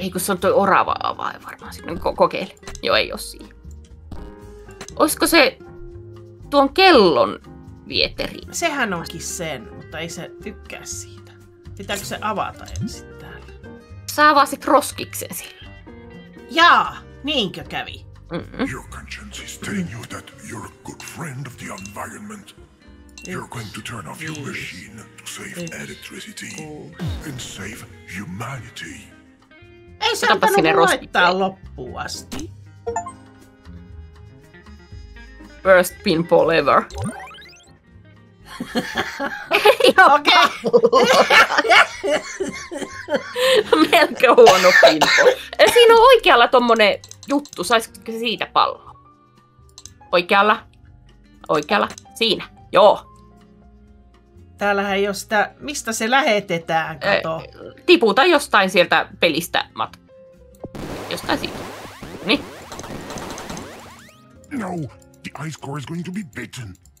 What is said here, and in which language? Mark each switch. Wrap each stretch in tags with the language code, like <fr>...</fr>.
<fi>Ei, kun se on toi orava avain varmaan. Sitten kokeile. Joo, ei oo siihen. Olisiko se... Tuon kellon vieteriin. Sehän onkin sen, mutta ei se tykkää siitä. Pitääkö se avata ensin täällä? Sä avasit roskiksen sille. Jaa, niinkö kävi? Mm-mm.</fi> <en>Your conscience is telling you that you're a good friend of the environment. You're going to turn off your machine to save electricity and save humanity.</en> <fi>Ei se antanut laittaa loppuun asti.</fi> <en>Worst pinball ever.</en> <fi>Okei. Melkein huono pinball. Siinä on oikealla tommonen juttu. Saisitko siitä pallo? Oikealla? Oikealla? Siinä. Joo. Täällähän ei ole sitä... Mistä se lähetetään, kato? Tiputa jostain sieltä pelistä matka. Jostain siitä. Niin. No.</fi> <en>The ice core is going to be bitten.</en>